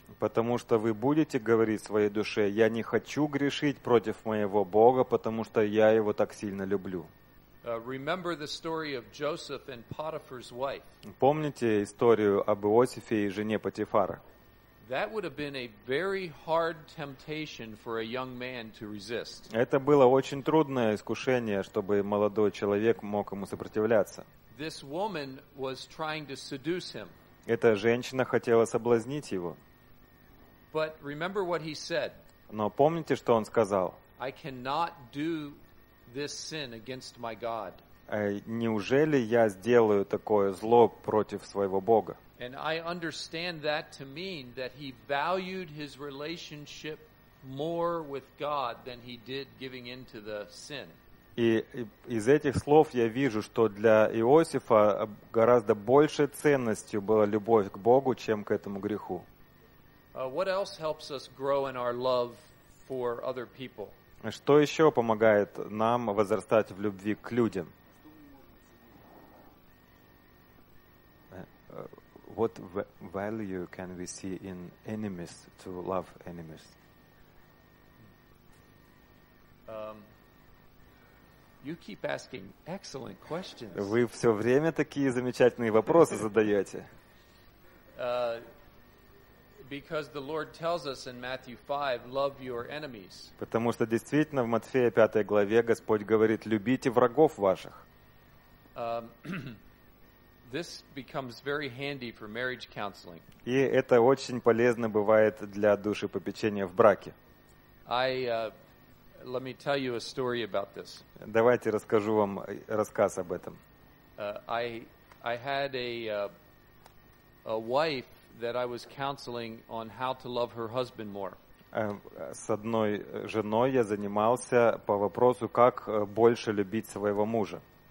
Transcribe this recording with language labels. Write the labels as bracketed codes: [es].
[ru] Потому что вы будете говорить своей душе: я не хочу грешить против моего Бога, потому что я его так сильно люблю. [en] Remember the story of Joseph and Potiphar's wife. [ru] Помните историю об Иосифе и жене Потифара? [en] That would have been a very hard temptation for a young man to resist. [ru] Это было очень трудное искушение, чтобы молодой человек мог ему сопротивляться. [en] This woman was trying to seduce him. [ru] Эта женщина хотела соблазнить его. [en] But remember what he said. [ru] Но помните, что он сказал. [en] I cannot do this sin against my God. [ru] Неужели я сделаю такое зло против своего Бога? [en] And I understand that to mean that he valued his relationship more with God than he did giving in to the sin. [ru] И из этих слов я вижу, что для Иосифа гораздо большей ценностью была любовь к Богу, чем к этому греху. [en] What else helps us grow in our love for other people? [ru] Что еще помогает нам возрастать в любви к людям? [en] What value can we see in enemies to love enemies? You keep asking excellent questions. [ru] Вы все время такие замечательные вопросы задаете. [en] Because the Lord tells us in Matthew 5, love your enemies. [ru] Потому что действительно в Матфея 5 главе Господь говорит: любите врагов ваших. [en] This becomes very handy for marriage counseling. [ru] И это очень полезно бывает для душепопечения в браке. [en] Let me tell you a story about this. [ru] Давайте расскажу вам рассказ об этом. [en] I had a wife that I was counseling on how to love her husband more. [ru] С одной женой я занимался по вопросу, как больше любить своего мужа.